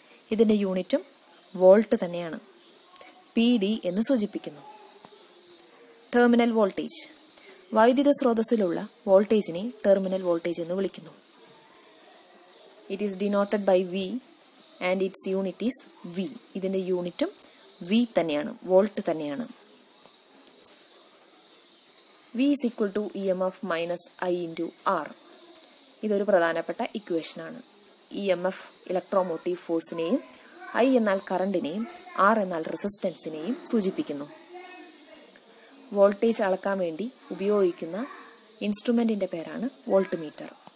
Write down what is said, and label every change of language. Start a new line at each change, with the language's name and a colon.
Malayalam: ഇതിന്റെ യൂണിറ്റും വോൾട്ട് തന്നെയാണ്. PD എന്ന് സൂചിപ്പിക്കുന്നു. Terminal voltage. വൈദ്യുത സ്രോതസ്സിലുള്ള വോൾട്ടേജിനെ ടെർമിനൽ വോൾട്ടേജ് എന്ന് വിളിക്കുന്നു.
English: It is denoted by V and its unit is V.
Malayalam: ഇതിന്റെ യൂണിറ്റും V തന്നെയാണ്, വോൾട്ട് തന്നെയാണ്.
English: V is equal to EMF minus I into R.
Malayalam: ഇതൊരു പ്രധാനപ്പെട്ട ഇക്വേഷൻ ആണ്. EMF ഇലക്ട്രോമോട്ടീവ് ഫോഴ്സിനെയും I എന്നാൽ കറണ്ടിനെയും R എന്നാൽ റെസിസ്റ്റൻസിനെയും സൂചിപ്പിക്കുന്നു. വോൾട്ടേജ് അളക്കാൻ വേണ്ടി ഉപയോഗിക്കുന്ന ഇൻസ്ട്രുമെന്റിന്റെ പേരാണ് വോൾട്ട്മീറ്റർ.